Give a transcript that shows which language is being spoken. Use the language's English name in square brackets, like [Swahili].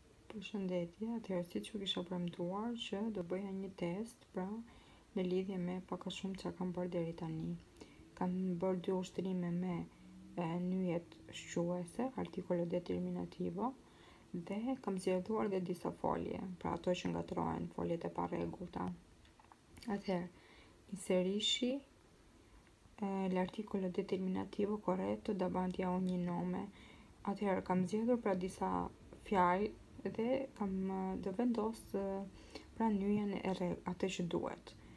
[Albanian] Përshëndetje, atëherë si që kisha premtuar që do bëja një test, pra, në lidhje me pak a shumë që kam bërë deri tani. Kam bërë dy ushtrime me nyjet shquese, [Italian] artikolo determinativo, [Albanian] dhe kam zgjeduar dhe disa folje, pra ato që ngatrohen, foljet e parregullta. [Italian] Atëherë, inserishi l'articolo determinativo corretto davanti a ogni nome. [Albanian] Atëherë, kam zgjedhur pra disa fjalë, dhe kam do vendos pra njën e re atë që duhet.